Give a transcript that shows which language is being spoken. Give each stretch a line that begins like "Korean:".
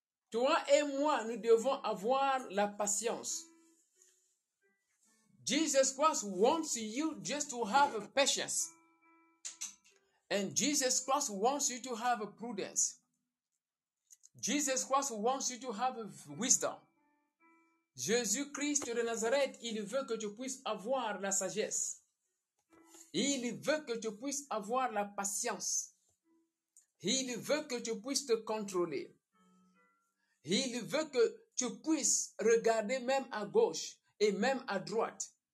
French: Toi et moi, nous devons avoir la patience.
English: Jesus Christ wants you just to have patience. And Jesus Christ wants you to have prudence. Jesus Christ wants you to have wisdom.
French: Jésus-Christ de Nazareth, il veut que tu puisses avoir la sagesse. Il veut que tu puisses avoir la patience. Il veut que tu puisses te contrôler. Il veut que tu puisses regarder même à gauche et même à droite.